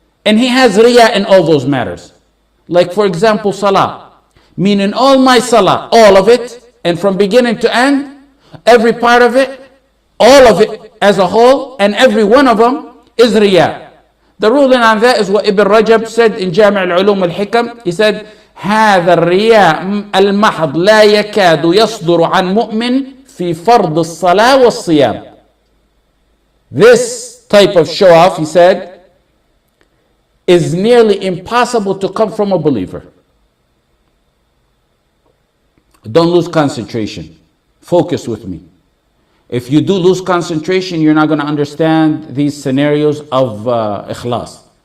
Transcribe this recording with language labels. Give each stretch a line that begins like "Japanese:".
English: And he has riya in all those matters. Like for example, salah. Meaning all my salah, all of it, and from beginning to end, every part of it, all of it as a whole, and every one of them is riya. The ruling on that is what Ibn Rajab said in Jami' al-Ulum al-Hikam. He said,
Arabic: هَذَا الرِّيَاءُ الْمَحَضُ لَا يَكَادُ يَصْدُرُ عَنْ مُؤْمِنٍ فِي فَرْضِ الصَّلَاةِ وَالصِّيَامِ.
English: This type of show-off, he said, is nearly impossible to come from a believer. Don't lose concentration. Focus with me. If you do lose concentration, you're not going to understand these scenarios of ikhlas.